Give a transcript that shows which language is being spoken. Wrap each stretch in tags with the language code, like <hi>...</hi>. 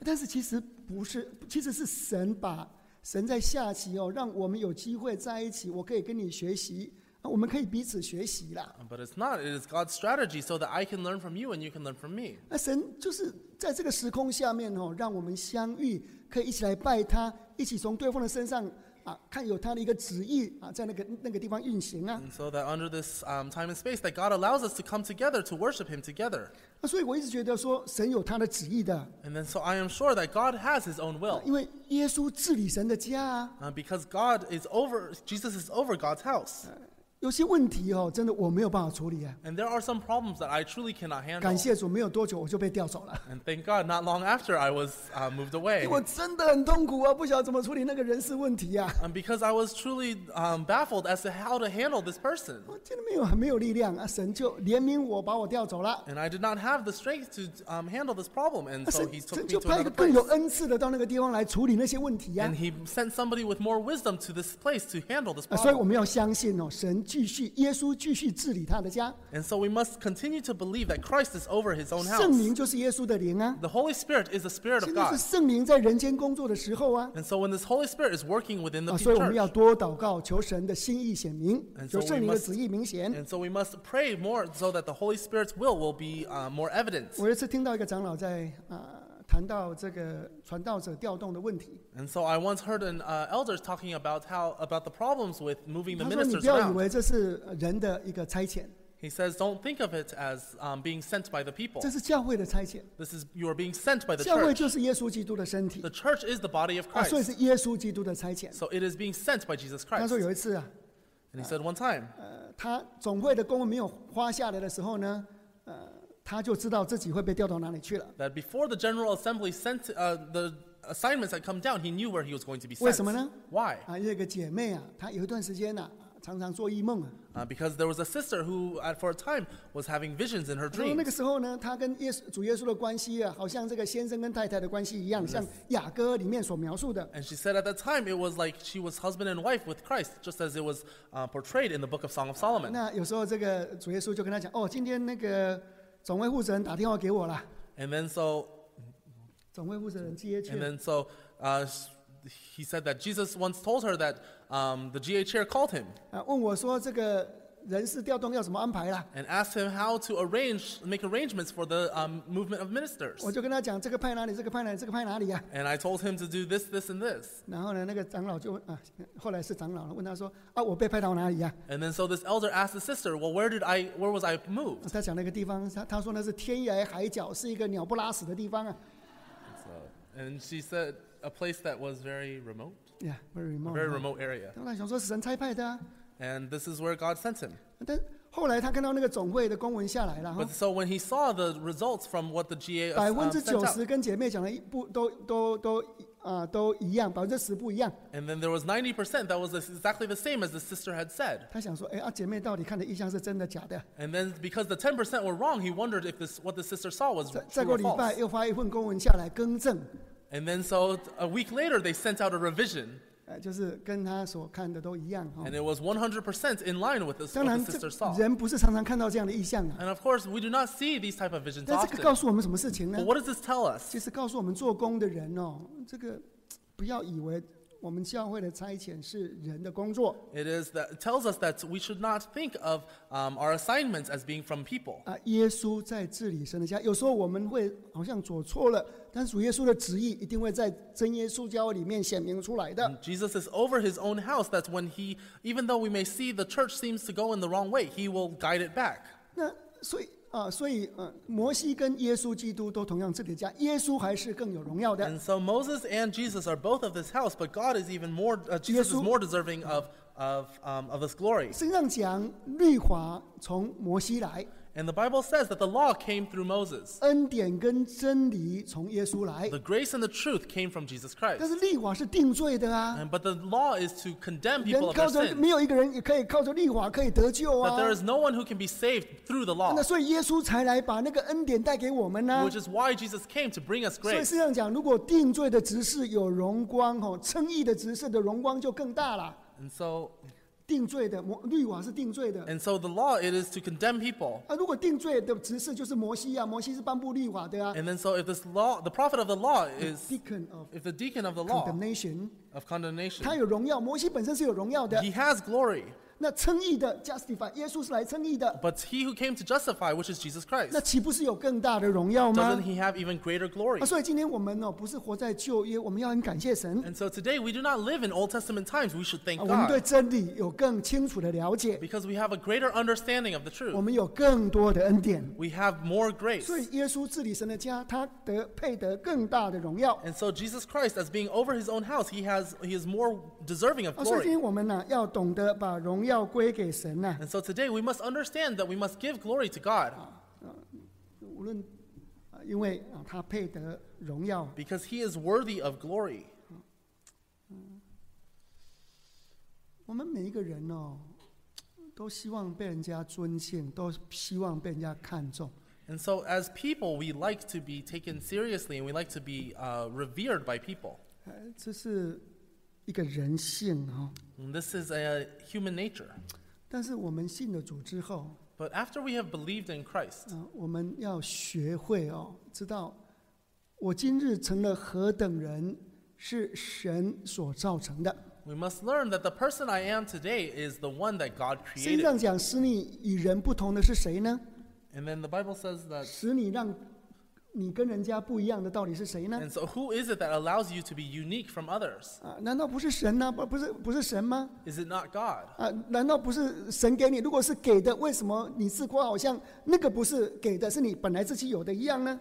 <zh>但是其实不是，其实是神把神在下棋哦，让我们有机会在一起，我可以跟你学习，我们可以彼此学习啦。</zh> <en>But it's not. It is God's strategy so that I can learn from you and you can learn from me.</en> <zh>那神就是在这个时空下面哦，让我们相遇，可以一起来拜他，一起从对方的身上。看有他的一个旨意在那个地方运行啊。</zh> <en>So that under this time and space, that God allows us to come together to worship Him together.</en> <zh>所以我一直觉得说神有他的旨意的。</zh> <en>And then, so I am sure that God has His own will.</en> <zh>因为耶稣治理神的家啊。</zh> <en>Because God is over, Jesus is over God's house.</en> <zh>有些问题哦，真的我没有办法处理啊。</zh> <en>And there are some problems that I truly cannot handle.</en> <zh>感谢主，没有多久我就被调走了。</zh> <en>And thank God, not long after I was moved away.</en> <zh>我真的很痛苦啊，不晓得怎么处理那个人事问题啊。</zh> <en>And because I was truly baffled as to how to handle this person.</en> <zh>我真的没有力量啊，神就怜悯我把我调走了。</zh> <en>And I did not have the strength to handle this problem, and so He took me to another place.</en> <zh>神就派一个更有恩赐的到那个地方来处理那些问题啊。</zh> <en>And He sent somebody with more wisdom to this place to handle this problem.</en> <zh>所以我们要相信哦，神继续，耶稣继续治理他的家。</zh> <en>And so we must continue to believe that Christ is over His own house.</en> <zh>圣灵就是耶稣的灵啊。</zh> <en>The Holy Spirit is the Spirit of God.</en> <zh>现在是圣灵在人间工作的时候啊。</zh> <en>And so when this Holy Spirit is working within the church.</en> <zh>所以我们要多祷告，求神的心意显明，求圣灵的旨意明显。</zh> <en>And so we must pray more so that the Holy Spirit's will be more evident.</en> <zh>我一次听到一个长老在谈到这个传道者调动的问题。</zh> <en>And so I once heard an elder talking about the problems with moving the ministers around.</en> <zh>他说：“你不要以为这是人的一个差遣。”</zh> <en>He says, "Don't think of it as being sent by the people."</en> <zh>这是教会的差遣。</zh> <en>This is you are being sent by the church.</en> <zh>教会就是耶稣基督的身体。</zh> <en>The church is the body of Christ.</en> <zh>所以是耶稣基督的差遣。</zh> <en>So it is being sent by Jesus Christ.</en> <zh>他说有一次啊。</zh> <en>And he said one time.</en> <zh>他总会的公文没有发下来的时候呢，他就知道自己会被调到哪里去了。</zh> <en>That before the General Assembly sent the assignments had come down, he knew where he was going to be sent.</en> <zh>为什么呢？</zh> <en>Why?</en> <zh>有一个姐妹啊，她有一段时间啊，常常做噩梦啊。</zh> <en>Because there was a sister who, for a time, was having visions in her dreams.</en> <zh>那个时候呢，她跟耶稣主耶稣的关系啊，好像这个先生跟太太的关系一样，像雅各里面所描述的。</zh> <en>And she said at that time it was like she was husband and wife with Christ, just as it was portrayed in the Book of Song of Solomon.</en> <zh>那有时候这个主耶稣就跟她讲，哦，今天那个总会负责人打电话给我了。</zh> <en>And then so.</en> <zh>总会负责人接去。</zh> <en>And then so, He said that Jesus once told her that the GA chair called him.</en> <zh>问我说这个人事调动要怎么安排啦？</zh> <en>And asked him how to arrange, make arrangements for the movement of ministers.</en> <zh>我就跟他讲这个派哪里，这个派哪里，这个派哪里呀？</zh> <en>And I told him to do this, this, and this.</en> <zh>然后呢，那个长老就啊，后来是长老了，问他说啊，我被派到哪里呀？</zh> <en>And then so this elder asked the sister, well, where was I moved?</en> <zh>他讲那个地方，他说那是天涯海角，是一个鸟不拉屎的地方啊。</zh> <en>And she said. A place that was very remote. Yeah, very remote. A very remote area.</en> <zh>当然想说是神差派的啊。</zh> <en>And this is where God sent him.</en> <zh>但后来他看到那个总会的公文下来了。</zh> <en>But so when he saw the results from what the GA sent out,</en> <zh>90%跟姐妹讲的不都啊都一样，10%不一样。</zh> <en>And then there was 90% that was exactly the same as the sister had said.</en> <zh>他想说，哎啊，姐妹到底看的意象是真的假的</zh> <en>？And then because the 10% were wrong, he wondered if this what the sister saw was true or false.</en> <zh>再过礼拜又发一份公文下来更正。</zh> <en>And then so a week later, they sent out a revision.</en> <zh>就是跟他所看的都一样。</zh> <en>And it was 100% in line with what the sister saw.</en> <zh>当然，人不是常常看到这样的意象啊。</zh> <en>And of course, we do not see these type of visions often.</en> <zh>但这个告诉我们什么事情呢？</zh> <en>But what does this tell us?</en> <zh>其实告诉我们做工的人哦，这个不要以为我们教会的差遣是人的工作。</zh> <en>It is that it tells us that we should not think of our assignments as being from people.</en> <zh>耶稣在治理神的家，有时候我们会好像做错了。但主耶稣的旨意一定会在真耶稣教会里面显明出来的。</zh> <en>Jesus is over his own house. That's when he, even though we may see the church seems to go in the wrong way, he will guide it back.</en> <zh>那所以啊，所以摩西跟耶稣基督都同样治理家，耶稣还是更有荣耀的。</zh> <en>And so Moses and Jesus are both of this house, but God is even more. Jesus is more deserving of this glory.</en> <zh>圣经讲律法从摩西来。</zh> <en>And the Bible says that the law came through Moses.</en> <zh>恩典跟真理从耶稣来。</zh> <en>The grace and the truth came from Jesus Christ.</en> <zh>但是律法是定罪的啊。</zh> <en>But the law is to condemn people of their sin.</en> <zh>人靠着没有一个人可以靠着律法可以得救啊。</zh> <en>But there is no one who can be saved through the law.</en> <zh>那所以耶稣才来把那个恩典带给我们呢。</zh> <en>Which is why Jesus came to bring us grace.</en> <zh>所以圣经讲，如果定罪的执事有荣光，吼，称义的执事的荣光就更大了。</zh> <en>And so.</en> <zh>定罪的律法是定罪的。</zh> <en>And so the law it is to condemn people.</en> <zh>如果定罪的执事就是摩西啊，摩西是颁布律法的啊。</zh> <en>And then so if this law, the prophet of the law is the deacon of, if the deacon of the law condemnation, of condemnation,</en> <zh>他有荣耀，摩西本身是有荣耀的。</zh> <en>He has glory.</en> <zh>那称义的 justify, 耶稣是来称义的。</zh> <en>But he who came to justify, which is Jesus Christ,</en> <zh>那岂不是有更大的荣耀吗？</zh> <en>Doesn't he have even greater glory?</en> <zh>所以今天我们哦，不是活在旧约，我们要很感谢神。</zh> <en>And so today we do not live in Old Testament times. We should thank God.</en> <zh>我们对真理有更清楚的了解。</zh> <en>Because we have a greater understanding of the truth.</en> <zh>我们有更多的恩典。</zh> <en>We have more grace.</en> <zh>所以耶稣治理神的家，他得配得更大的荣耀。</zh> <en>And so Jesus Christ, as being over his own house, he is more deserving of glory.</en> <zh>所以今天我们呢，要懂得把荣耀要归给神呐。</zh> <en>And so today we must understand that we must give glory to God.</en> <zh>无论，因为他配得荣耀。</zh> <en>Because he is worthy of glory.</en> <zh>我们每一个人哦，都希望被人家尊敬，都希望被人家看重。</zh> <en>And so as people, we like to be taken seriously, and we like to be revered by people.</en> <zh>这是一个人性哦。</zh> <en>This is a human nature.</en> <zh>但是我们信了主之后，</zh> <en>But after we have believed in Christ,</en> <zh>我们要学会哦，知道我今日成了何等人，是神所造成的。</zh> <en>We must learn that the person I am today is the one that God created.</en> <zh>圣经讲使你与人不同的是谁呢？</zh> <en>And then the Bible says that</en> <zh>使你让你跟人家不一样的到底是谁呢？</zh> <en>And so who is it that allows you to be unique from others?</en> <zh>难道不是神呢？不是神吗？</zh> <en>Is it not God?</en> <zh>难道不是神给你？如果是给的，为什么你自夸好像那个不是给的，是你本来自己有的一样呢？</zh>